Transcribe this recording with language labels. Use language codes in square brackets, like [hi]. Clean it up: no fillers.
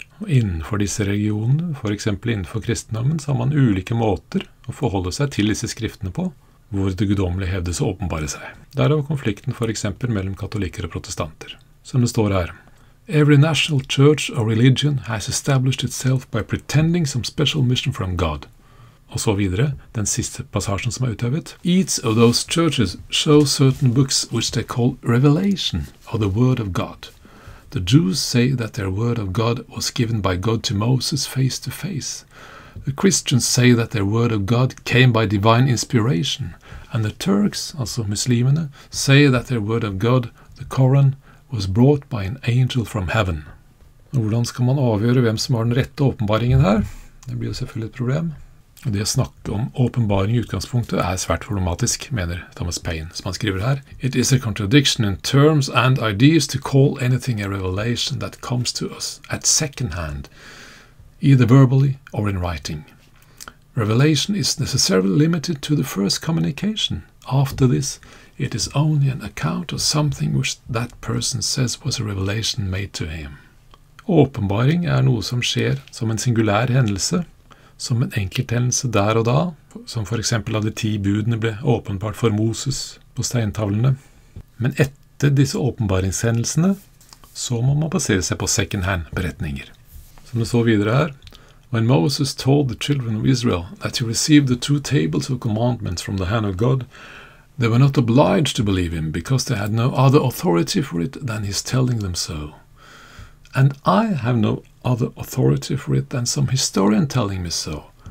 [no] Og innenfor disse regionene, for eksempel innenfor kristendommen, så har man ulike måter å forholde seg til disse skriftene på, hvor det guddommelige hevdes å åpenbare seg. Derav konflikten for eksempel mellom katolikker og protestanter. som det står her. [en] Every national church or religion has established itself by pretending some special mission from God. [no] Og så videre, den siste passasjen som utøvet. [en] Each of those churches show certain books which they call revelation of the word of God. The Jews say that their word of God was given by God to Moses face to face. The Christians say that their word of God came by divine inspiration. And the Turks, [no] also muslimene, [en] say that their word of God, the Koran, was brought by an angel from heaven. [no] Hvordan skal man avgjøre hvem som har den rette åpenbaringen her? Det blir jo selvfølgelig et problem. Det å snakke om åpenbaring i utgangspunktet svært problematisk, mener Thomas Paine, som han skriver her. [en] It is a contradiction in terms and ideas to call anything a revelation that comes to us at second hand, either verbally or in writing. Revelation is necessarily limited to the first communication. After this, it is only an account of something which that person says was a revelation made to him. [no] Åpenbaring noe som skjer som en singulær hendelse, som en enkelthendelse der og da, som for eksempel av de 10 budene ble åpenbart for Moses på steintavlene. Men etter disse åpenbaringshendelsene, så må man basere seg på second-hand-beretninger. Som det står videre her, [en] When Moses told the children of Israel that he received the 2 tables of commandments from the hand of God, they were not obliged to believe him, because they had no other authority for it than his telling them so. And I have no other authority for it than some historian telling me so.